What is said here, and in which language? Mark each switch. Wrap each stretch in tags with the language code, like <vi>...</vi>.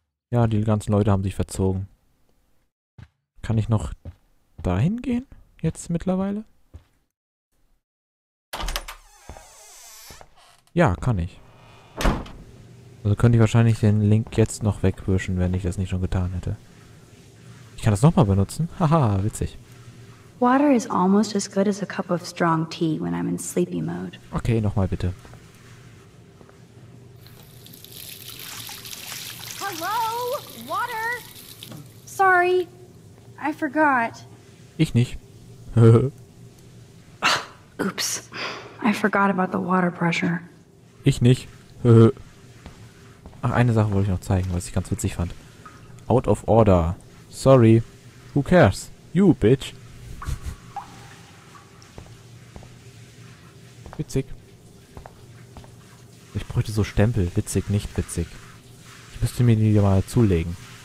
<de>Ja, die ganzen Leute haben sich verzogen. Kann ich noch dahin gehen? Jetzt mittlerweile? Ja, kann ich. Also könnte ich wahrscheinlich den Link jetzt noch wegwischen, wenn ich das nicht schon getan hätte. Ich kann das nochmal benutzen. Haha, witzig.</de> <en>Water is almost as good as a cup of strong tea when I'm in sleepy mode.</en> <de>Okay, nochmal bitte.</de> <en>Hello, water. Sorry, I forgot.</en> <de>Ich nicht.</de> <en>Oops, I forgot about the water pressure.</en> <de>Ich nicht. Ach, eine Sache wollte ich noch zeigen, was ich ganz witzig fand.</de> <en>Out of order. Sorry. Who cares? You bitch.</en> <de>Witzig. Ich bräuchte so Stempel. Witzig, nicht witzig. Ich müsste mir die mal zulegen.</de>